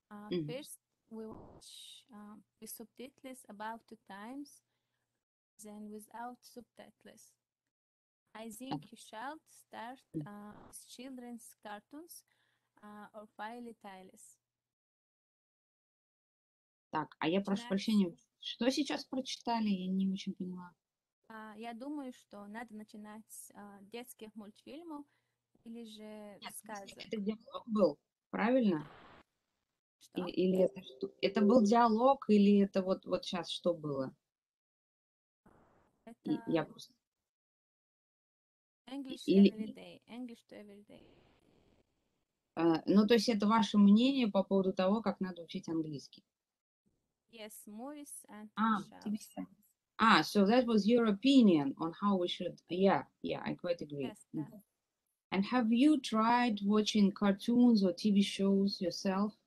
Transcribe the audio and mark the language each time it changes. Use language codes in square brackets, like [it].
[en] First, we watch with subtitles about 2 times, then without subtitles. I think you should start with children's cartoons or fairy tales. [ru] Так, а я прошу прощения, что сейчас прочитали, я не очень поняла. Я думаю, что надо начинать с детских мультфильмов или же сказок. Это диалог был, правильно? Что? Или это был диалог, или это вот сейчас что было? Это... Я просто... [en] English [ru] Или... [en] every day. English to every day. [ru] Ну, то есть это ваше мнение по поводу того, как надо учить английский? [en] Yes, movies and shows. Ah, so that was your opinion on how we should... Yeah, I quite agree. Yes, mm-hmm. And have you tried watching cartoons or TV shows yourself?